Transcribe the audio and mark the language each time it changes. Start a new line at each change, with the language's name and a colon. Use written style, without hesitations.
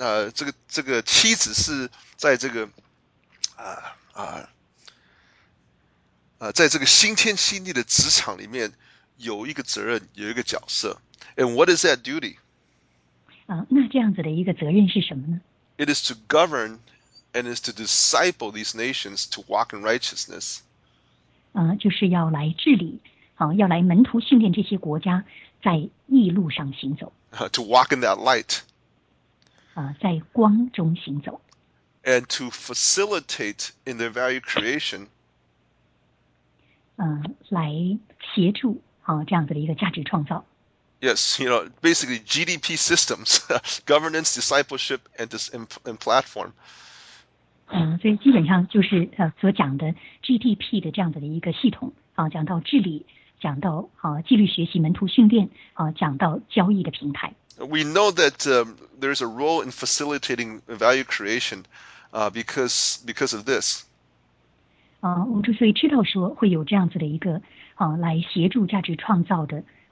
Chinese: 这个妻子是在这个在这个新天新地的职场里面有一个责任，有一个角色。
English: And what is that duty?
Chinese: 那这样子的一个责任是什么呢？
English: It is to govern and is to disciple these nations to walk in righteousness.
Chinese: 就是要来治理，要来门徒训练这些国家在义路上行走。
English: To walk in that light.
Chinese: 在光中行走。
English: And to facilitate in their value creation.
Chinese: 来协助，这样子的一个价值创造。
English: Yes, you know, basically GDP systems, governance, discipleship, and this and platform.
Chinese: 所以基本上就是所讲的 GDP 的这样子的一个系统，讲到治理，讲到纪律学习、门徒训练，讲到交易的平台。
English: We know that there is a role in facilitating value creation, because of this.
Chinese: 我之所以知道说会有这样子的一个来协助价值创造的。